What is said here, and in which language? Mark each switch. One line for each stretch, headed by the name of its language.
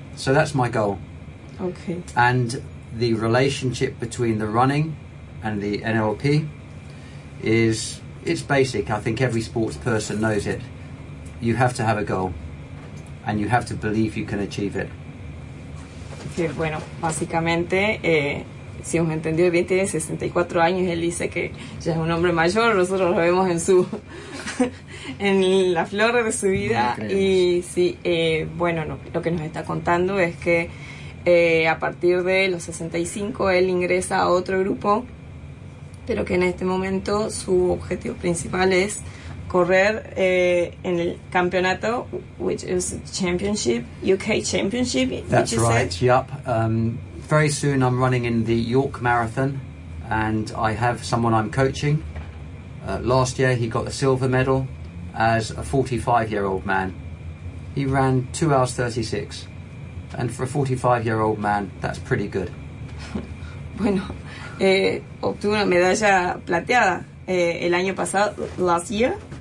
English: So that's my goal. Okay. And the relationship between the running and the NLP is, it's basic. I think every sports person knows it. You have to have a goal and you have to believe you can achieve it.
Spanish: Que bueno, básicamente, si hemos entendido bien, tiene 64 años, él dice que ya es un hombre mayor, nosotros lo vemos en su en la flor de su vida. No, y sí, bueno, no, lo que nos está contando es que a partir de los 65 él ingresa a otro grupo, pero que en este momento su objetivo principal es correr en el campeonato,
English: which is championship, UK championship. That's right. Said. Yep. Very soon I'm running in the York Marathon, and I have someone I'm coaching. Last year he got the silver medal as a 45-year-old man. He ran 2 hours 36, and for a 45-year-old man, that's pretty good.
Spanish: Bueno. Obtuvo una medalla plateada el año pasado,
English: last year.